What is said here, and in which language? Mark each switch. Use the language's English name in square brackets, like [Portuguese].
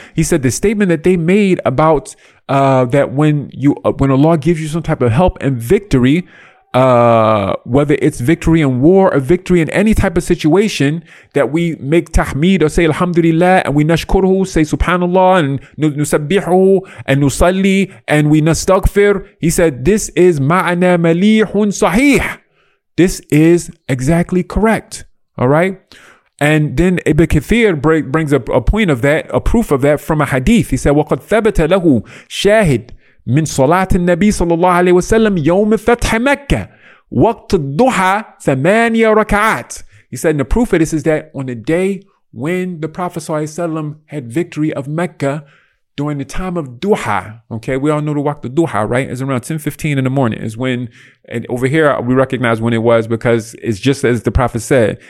[English] He said the statement that they made about that when Allah gives you some type of help and victory, whether it's victory in war or victory in any type of situation, that we make tahmid or say alhamdulillah and we nashkuruhu, say subhanallah and nusabbihuhu and nusalli and we nastaghfir. He said this is [Arabic] ma'ana malihun sahih. [English] This is exactly correct, all right? And then Ibn Kathir brings up a proof of that from a hadith. He said, [Arabic] وَقَدْ ثَبَتَ لَهُ شَاهِدٌ مِنْ صَلَاةِ النَّبِي صلى الله عليه وسلم يوم فتح مكة وقت الضحى ثمانية ركعات. [English] He said, and the proof of this is that on the day when the Prophet صلى الله عليه وسلم had victory of Mecca during the time of Duha, okay? We all know the waqt of Duha, right? It's around 10:15 in the morning is when, and over here we recognize when it was because it's just as the Prophet said.